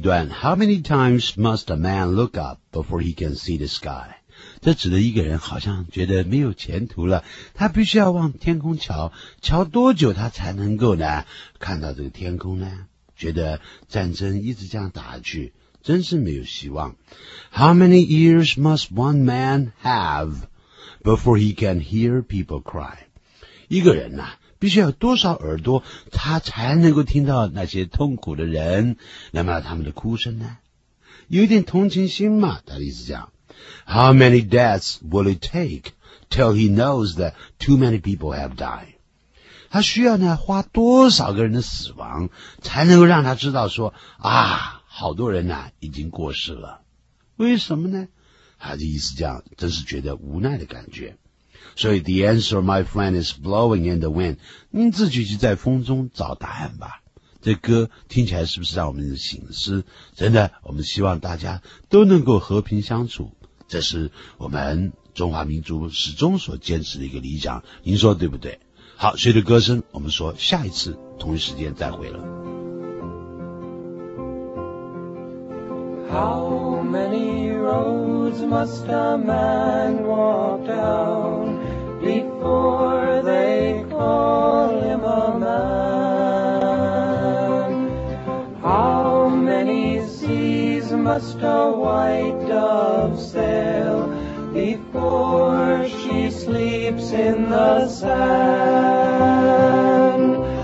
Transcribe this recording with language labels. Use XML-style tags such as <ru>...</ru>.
<en>How many times must a man look up before he can see the sky?</en> <zh>这指的一个人好像觉得没有前途了，他必须要往天空瞧，瞧多久他才能够呢看到这个天空呢？觉得战争一直这样打去，真是没有希望。</zh> <en>How many ears must one man have before he can hear people cry?</en> <zh>一个人呢、啊必须要多少耳朵他才能够听到那些痛苦的人那么他们的哭声呢？有一点同情心嘛，他的意思讲。</zh> <en>How many deaths will it take till he knows that too many people have died?</en> <zh>他需要呢花多少个人的死亡才能够让他知道说啊，好多人呢、啊、已经过世了。为什么呢？他的意思讲，真是觉得无奈的感觉。所以</zh> <en>the answer, my friend, is blowing in the wind.</en> <zh>您自己去在风中找答案吧。这歌听起来是不是让我们醒思？真的，我们希望大家都能够和平相处，这是我们中华民族始终所坚持的一个理想。您说对不对？好，随着歌声，我们说下一次同一时间再会了。</zh> <en>How many roads must a man walk down before they call him a man? How many seas must a white dove sail before she sleeps in the sand?</en>